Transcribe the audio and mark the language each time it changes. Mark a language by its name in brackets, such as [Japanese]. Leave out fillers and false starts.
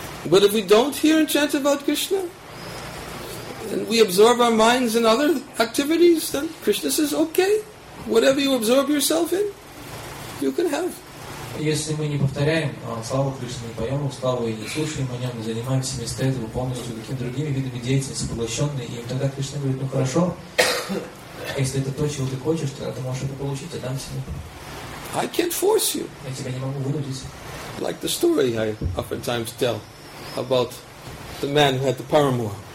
[English] But if we don't hear and chant about Krishna, and we absorb our minds in other activities, then Krishna says, okay, whatever you absorb yourself in, you can have. [Russian] Если мы не повторяем славу Кришны, поем славу и слушаем о нем, и занимаемся вместо этого полностью какими-то другими видами деятельности, поглощенные, и тогда Кришна говорит, ну хорошо, если это то, чего ты хочешь, тогда ты можешь это получить, отдам себе. [English] I can't force you. [Russian] Я тебя не могу вынудить. [English] Like the story I oftentimes tell about the man who had the paramour.